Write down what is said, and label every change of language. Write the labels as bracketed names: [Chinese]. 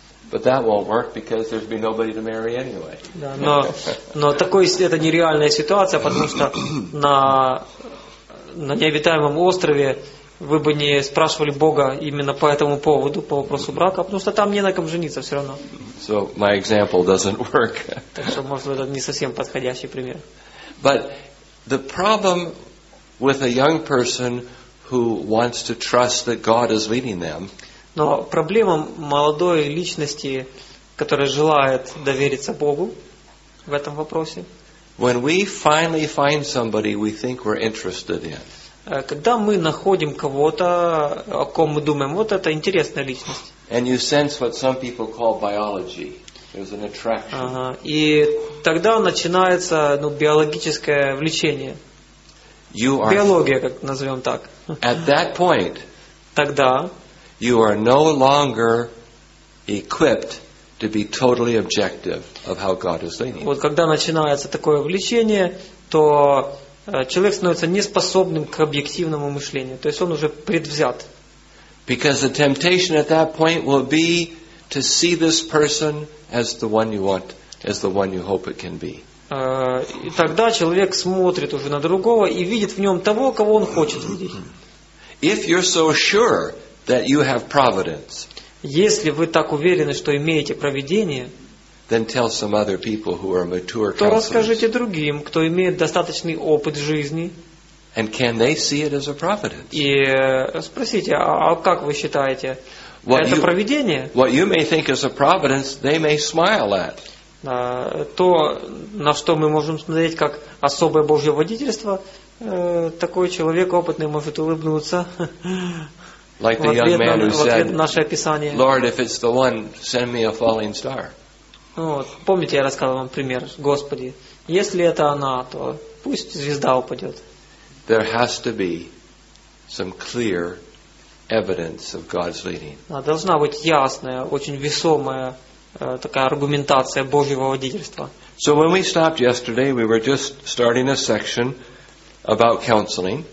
[English] But that won't work because there'd be nobody to marry anyway. [Russian] Но такой это нереальная ситуация, потому что на необитаемом острове вы бы не спрашивали Бога именно по этому поводу, по вопросу брака, потому что там не на ком жениться все равно. [English] So my example doesn't work. [Russian] Так что, может, это не совсем подходящий пример. [English] But the problem with a young person who wants to trust that God is leading them. [Russian] Но проблема молодой личности, которая желает довериться Богу в этом вопросе. [English] When we finally find somebody we think we're interested in. [Russian] Когда мы находим кого-то, о ком мы думаем, вот это интересная личность. [English] And you sense what some people call biology. There's an attraction. [Russian] И тогда начинается, ну, биологическое влечение. [English] You are [Russian] биология, как назовем так. [English] At that point. [Russian] Тогда [English] you are no longer equipped to be totally objective of how God is leading. [Russian] Вот когда начинается такое влечение, то человек становится неспособным к объективному мышлению. То есть он уже предвзят. [English] Because the temptation at that point will be to see this person as the one you want, as the one you hope it can be. [Russian] Тогда человек смотрит уже на другого и видит в нем того, кого он хочет видеть. [English] If you're so sure that you have providence, [Russian] если вы так уверены, что имеете провидение, [English] then tell some other people who are mature [Russian] counselors. То расскажите другим, кто имеет достаточный опыт жизни. [English] And can they see it as a providence? [Russian] И спросите, а как вы считаете, это провидение? [English] What you may think is a providence, they may smile at. [Russian] То, на что мы можем смотреть как особое Божье водительство, такой человек опытный может улыбнуться. [English] Like the young man who said, [Russian] наше описание. [English] Lord, if it's the one, send me a falling star. [Russian] Помните, я рассказывал вам пример. Господи, если это она, то пусть звезда упадет. [English] There has to be some clear evidence of God's leading. [Russian] Должна быть ясная, очень весомая такая аргументация Божьего водительства. [English] So when we stopped yesterday, we were just starting a section about counseling.